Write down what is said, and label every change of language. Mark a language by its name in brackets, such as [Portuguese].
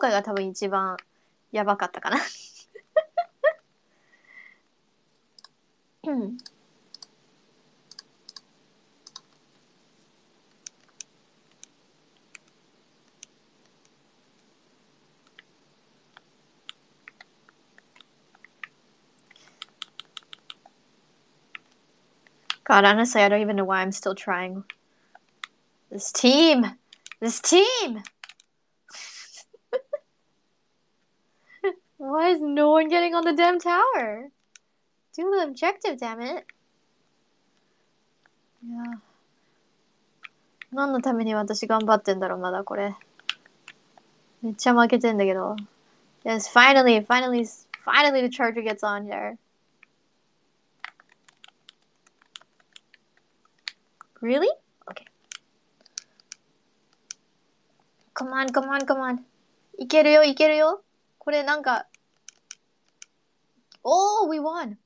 [English] God, honestly, I don't even know why I'm still trying. This team! Why is no one getting on the damn tower? Do the objective, damn it. Yeah. [Japanese] 何のために私頑張ってんだろう、まだこれ。めっちゃ負けてんだけど。 [English] Yes, finally the charger gets on here. Really? Okay. Come on. [Japanese] Ikeru yo, ikeru yo. Kore nanka. [English] Oh, we won.